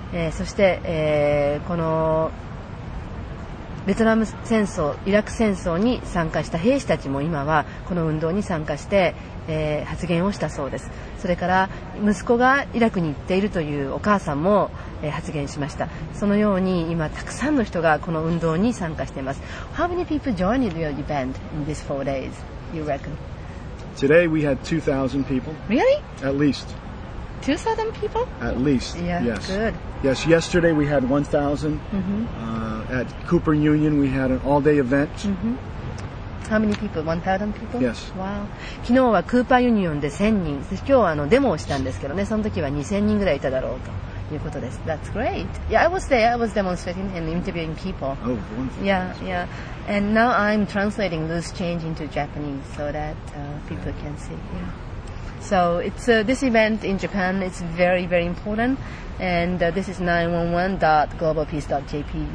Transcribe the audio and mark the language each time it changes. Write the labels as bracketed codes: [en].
[ja] そして、このベトナム戦争、イラク戦争に参加した兵士たちも今はこの運動に参加して、発言をしたそうです。それから息子がイラクに行っているというお母さんも、発言しました。そのように今たくさんの人がこの運動に参加しています。 [en] How many people joined your event in these 4 days, you reckon? Today we had 2,000 people. Really? At least 2,000 people? At least, yeah, yes. Good. Yes, yesterday we had 1,000. Mm-hmm. At Cooper Union, we had an all-day event. Mm-hmm. How many people? 1,000 people? Yes. Wow. [ja] 昨日はクーパーユニオンで1000人。今日はデモをしたんですけどね、その時は2000人ぐらいいただろうということです。 [en] That's great. Yeah, I was there. I was demonstrating and interviewing people. Oh, wonderful. Yeah, yeah. And now I'm translating loose change into Japanese so that people can see. Yeah. So it's this event in Japan. It's very, very important. And this is 911.globalpeace.jp.